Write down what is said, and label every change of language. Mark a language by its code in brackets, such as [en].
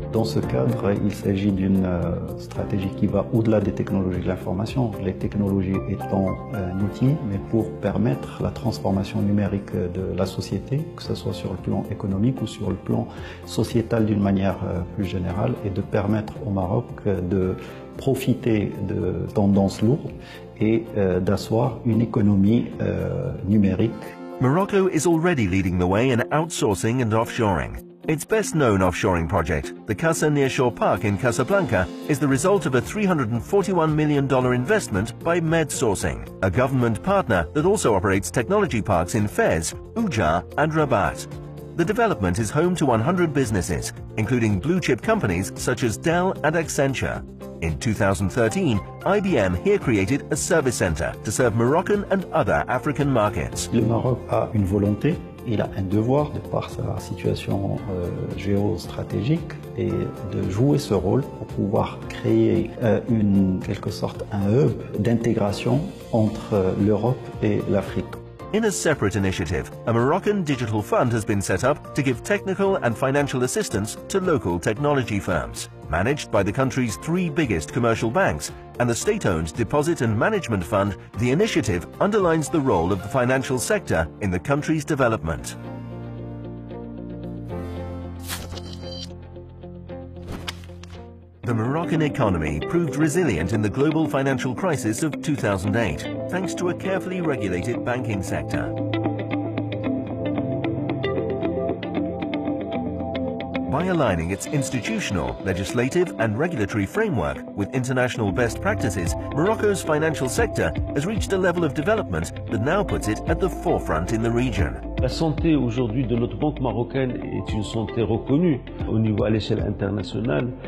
[fr] Dans ce cadre, il s'agit d'une stratégie qui va au-delà des technologies de l'information, les technologies étant un outil, mais pour permettre la transformation numérique de la société, que ce soit sur le plan économique ou sur le plan sociétal d'une manière plus générale, et de permettre au Maroc de profiter de tendances lourdes et d'asseoir une économie numérique. [en] Morocco is already leading the way in outsourcing and offshoring. Its best-known offshoring project, the Casa Nearshore Park in Casablanca, is the result of a $341 million investment by MedSourcing, a government partner that also operates technology parks in Fez, Oujar and Rabat. The development is home to 100 businesses, including blue-chip companies such as Dell and Accenture. In 2013, IBM here created a service center to serve Moroccan and other African markets. [fr] Le Maroc a une volonté. Il a un devoir, de par sa situation géostratégique, et de jouer ce rôle pour pouvoir créer un hub d'intégration entre l'Europe et l'Afrique. [en] In a separate initiative, a Moroccan digital fund has been set up to give technical and financial assistance to local technology firms, managed by the country's three biggest commercial banks and the state-owned deposit and management fund. The initiative underlines the role of the financial sector in the country's development. The Moroccan economy proved resilient in the global financial crisis of 2008, thanks to a carefully regulated banking sector. By aligning its institutional, legislative, and regulatory framework with international best practices, Morocco's financial sector has reached a level of development that now puts it at the forefront in the region. [fr] La santé aujourd'hui de notre banque marocaine est une santé reconnue au niveau à l'échelle internationale.